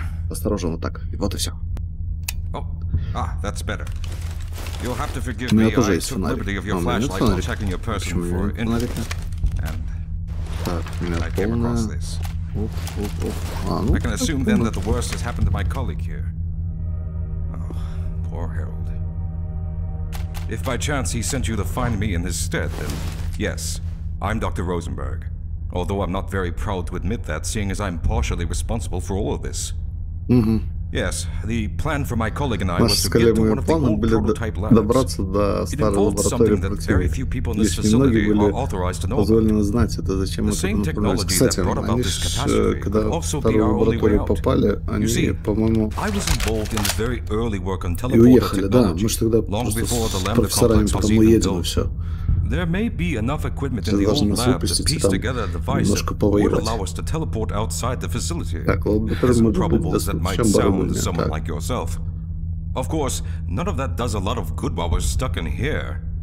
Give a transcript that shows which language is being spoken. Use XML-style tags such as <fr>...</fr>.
<ru>Осторожно, вот так. Вот и все. У меня тоже есть фонарик. У меня нет фонарика. Почему у меня фонарик нет? Так, у меня полная...</ru> <en>I can assume then that the worst has happened to my colleague here. Oh, poor Harold. If by chance he sent you to find me in his stead, then yes, I'm Dr. Rosenberg. Although I'm not very proud to admit that, seeing as I'm partially responsible for all of this. Mm-hmm. Yes, the plan for my colleague and I was to get to one of the old prototype labs.</en> <ru>Добраться до старой лаборатории противника. Если многие были позволены знать это, зачем мы туда направлялись. Кстати, они же, когда в старую лабораторию попали, они, по-моему, и уехали, да. Мы же тогда просто с профессорами потом уедем и все.</ru> <en>There may be enough equipment in the old lab to piece together a device that would allow us to teleport outside the facility. It's improbable that might sound to someone like yourself. Of course, none of that does a lot of good while we're stuck in here.</en>